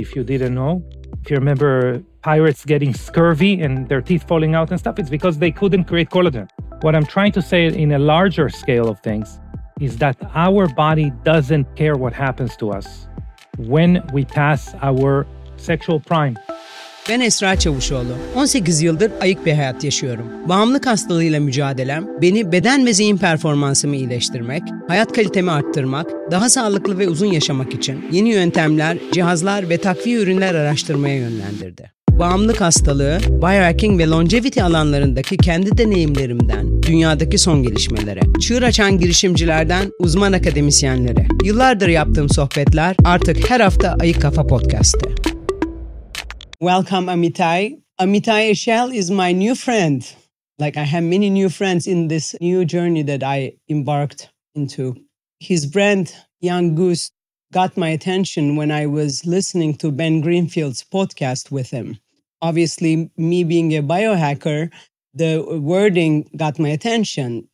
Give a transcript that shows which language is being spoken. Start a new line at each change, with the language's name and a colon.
English: If you didn't know, if you remember pirates getting scurvy and their teeth falling out and stuff, it's because they couldn't create collagen. What I'm trying to say in a larger scale of things is that our body doesn't care what happens to us when we pass our sexual prime.
Turkish: Ben Esra Çavuşoğlu. 18 yıldır ayık bir hayat yaşıyorum. Bağımlılık hastalığıyla mücadelem, beni beden ve zihin performansımı iyileştirmek, hayat kalitemi arttırmak, daha sağlıklı ve uzun yaşamak için yeni yöntemler, cihazlar ve takviye ürünler araştırmaya yönlendirdi. Bağımlılık hastalığı, biohacking ve longevity alanlarındaki kendi deneyimlerimden, dünyadaki son gelişmelere, çığır açan girişimcilerden uzman akademisyenlere, yıllardır yaptığım sohbetler artık her hafta Ayık Kafa Podcast'te.
English: Welcome, Amitai. Amitai Eşel is my new friend. Like, I have many new friends in this new journey that I embarked into. His brand, Young Goose, got my attention when I was listening to Ben Greenfield's podcast with him. Obviously, me being a biohacker, the wording got my attention.